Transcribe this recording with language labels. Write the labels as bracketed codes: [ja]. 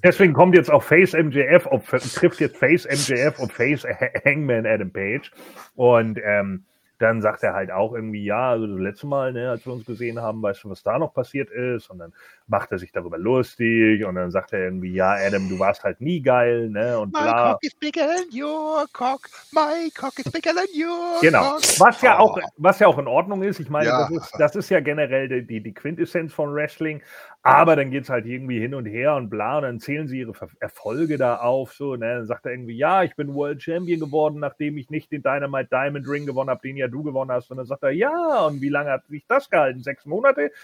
[de] Deswegen kommt jetzt auch Face MJF, trifft jetzt Face MJF und Face Hangman Adam Page. Und dann sagt er halt auch irgendwie, ja, also das letzte Mal, ne, als wir uns gesehen haben, weißt du, was da noch passiert ist? Und dann macht er sich darüber lustig und dann sagt er irgendwie, ja, Adam, du warst halt nie geil, ne, und [en] my bla. Cock is bigger than your cock. My cock is bigger than your cock. [de] Genau, was ja auch in Ordnung ist. Ich meine, ja. das ist ja generell die Quintessenz von Wrestling, aber dann geht's halt irgendwie hin und her und bla und dann zählen sie ihre Erfolge da auf, so, ne, dann sagt er irgendwie, ja, ich bin World Champion geworden, nachdem ich nicht den Dynamite Diamond Ring gewonnen habe, den ja du gewonnen hast, und dann sagt er, ja, und wie lange hat sich das gehalten? 6 Monate?